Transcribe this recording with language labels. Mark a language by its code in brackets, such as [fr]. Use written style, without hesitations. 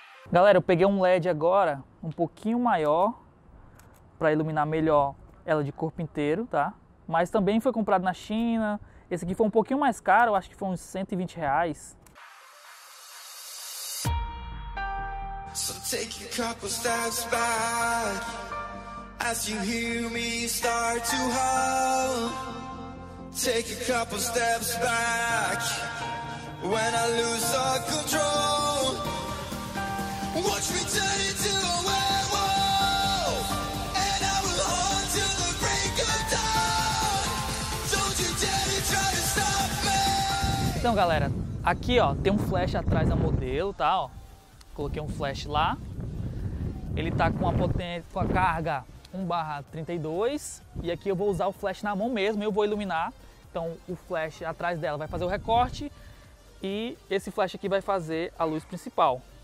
[pt] Galera, eu peguei um LED agora, um pouquinho maior, para iluminar melhor ela de corpo inteiro, tá? Mas também foi comprado na China, esse aqui foi um pouquinho mais caro, acho que foi uns 120 reais. [en] So take a couple steps back, as you hear me start to howl. Take a couple steps back, when I lose all control. Watch me turn into a werewolf, and I will haunt till the break of dawn. Don't you dare to try to stop me. [pt] Então galera, aqui ó, tem um flash atrás da modelo, tá ó. Coloquei um flash lá. Ele tá com a potência, com a carga 1/32. E aqui eu vou usar o flash na mão mesmo, eu vou iluminar. Então o flash atrás dela vai fazer o recorte, e esse flash aqui vai fazer a luz principal.